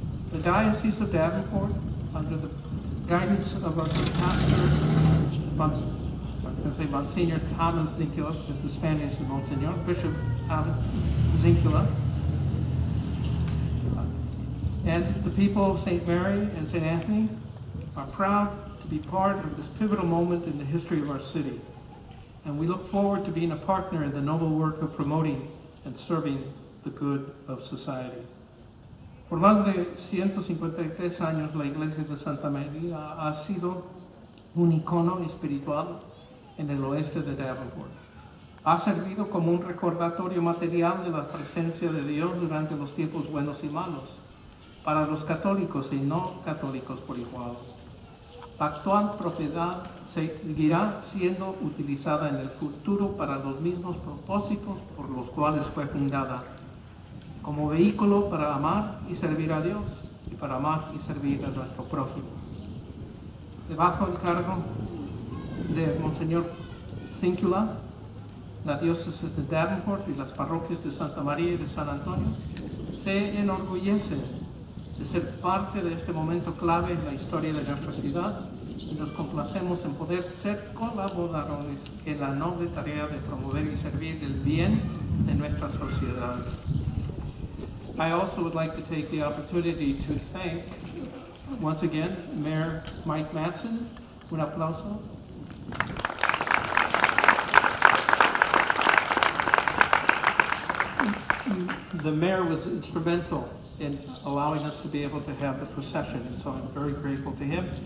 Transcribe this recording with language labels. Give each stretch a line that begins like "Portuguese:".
English: The Diocese of Davenport, under the guidance of our pastor, Monsignor Thomas Zinkula, because the Spanish is Monsignor, Bishop Thomas Zinkula, and the people of St. Mary and St. Anthony are proud to be part of this pivotal moment in the history of our city. And we look forward to being a partner in the noble work of promoting and serving the good of society.
Spanish: Por más de 153 años, la Iglesia de Santa María ha sido un icono espiritual en el oeste de Davenport. Ha servido como un recordatorio material de la presencia de Dios durante los tiempos buenos y malos, para los católicos y no católicos por igual. La actual propiedad seguirá siendo utilizada en el futuro para los mismos propósitos por los cuales fue fundada, como vehículo para amar y servir a Dios y para amar y servir a nuestro prójimo. Debajo el cargo de Monseñor Zinkula, la diócesis de Davenport y las parroquias de Santa María y de San Antonio, se enorgullece de ser parte de este momento clave en la historia de nuestra ciudad y nos complacemos en poder ser colaboradores en la noble tarea de promover y servir el bien de nuestra sociedad.
English: I also would like to take the opportunity to thank, once again, Mayor Mike Madsen.
Spanish: Un aplauso.
English: The mayor was instrumental in allowing us to be able to have the procession, and so I'm very grateful to him.